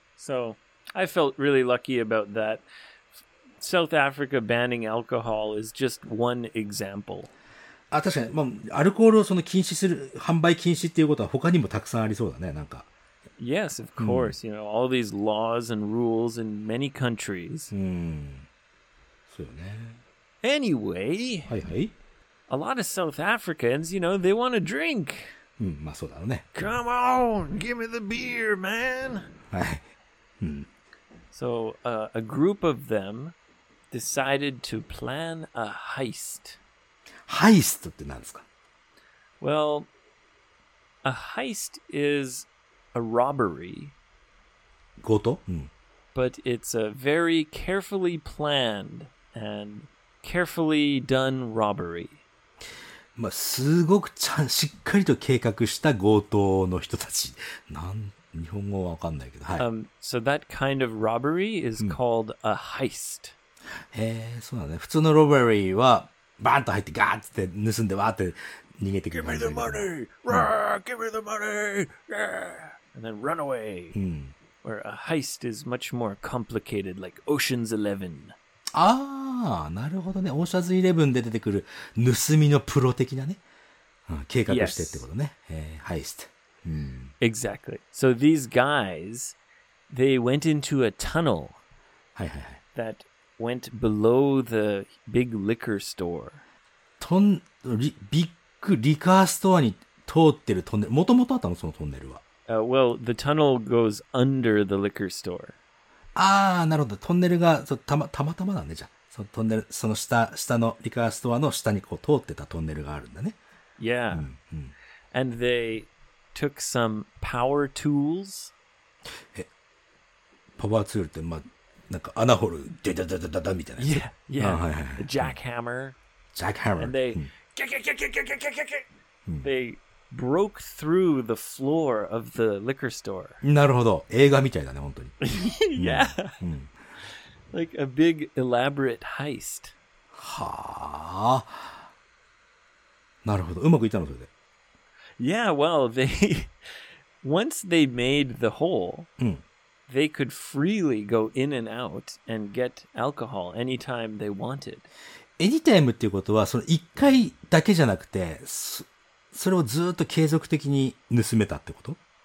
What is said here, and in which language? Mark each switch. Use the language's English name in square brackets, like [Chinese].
[English] So, I felt really lucky about that. South Africa banning alcohol is just one example. [Japanese] あ、確かに、まあ、アルコールをその禁止する、販売禁止っていうことは他にもたくさんありそうだね、なんか。 [English] Yes, of course.、うん、you know, all these laws and rules in many countries.、 [Japanese] うん、そうよね。 [English] Anyway,、 [Japanese] はいはい、 [English] a lot of South Africans, you know, they want to drink.、 [Japanese] うん、まあそうだろうね。 [English] Come on, give me the beer, man. [Japanese] はい。うん、 [English] so,、a group of them decided to plan a heist. [Japanese] Heist って何ですか? [English] Well, a heist is... A robbery. [Japanese] 強盗? [English] But it's a very carefully planned and carefully done robbery. [Japanese] まあ、すごくちゃんしっかりと計画した強盗の人たち。なん、日本語はわかんないけど、はい。 [English] So that kind of robbery is called a heist. [Japanese] へえ、そうだね。普通のロバリーはバーンと入ってガーッって盗んでわーって逃げてくる。 [English] Give me the money! Rah! Give me the money! Rah! And then run away. Where a heist is much more complicated, like Ocean's Eleven. [Japanese] ああ、なるほどね。 Ocean's Eleven で出てくる盗みのプロ的なね。計画してってことね。ハイスト。 [English] Exactly. So these guys, they went into a tunnel that went below the big liquor store. [Japanese] トン、ビッグリカーストアに通ってるトンネル。もともとあったの、そのトンネルは。 [English] Well, the tunnel goes under the liquor store. [Japanese] ああ、なるほど。トンネルがたまたまだね、じゃあ。そのトンネル、その下のリカーストアの下にこう通ってたトンネルがあるんだね。 [English] Yeah. And they took some power tools. [Japanese] パワーツールって、まあ、なんか穴掘る、ダダダダダダみたいな [English] やつ。Yeah, yeah. Jackhammer. Jackhammer. And they, they... broke through the floor of the liquor store. [Japanese] なるほど。映画みたいだね、本当に。 [English] Yeah. Like a big elaborate heist. [Japanese] はあ。なるほど。うまくいったの、それで。 [English] Yeah, well, they, once they made the hole, they could freely go in and out and get alcohol anytime they wanted. [Japanese] Anytime っていうことは、その一回だけじゃなくて、それをずっと継続的に盗めたってこと?